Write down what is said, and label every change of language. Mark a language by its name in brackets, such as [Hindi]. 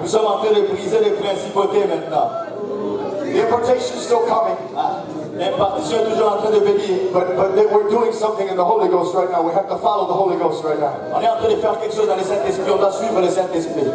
[French] Nous sommes en train de briser les principautés maintenant. [English] The impartation is still coming. [French] L'impartition est toujours en train de venir. [English] But we're doing something in the Holy Ghost right now. We have to follow the Holy Ghost right now. [French] On est en train de faire quelque chose dans le Saint-Esprit. On doit suivre le Saint-Esprit.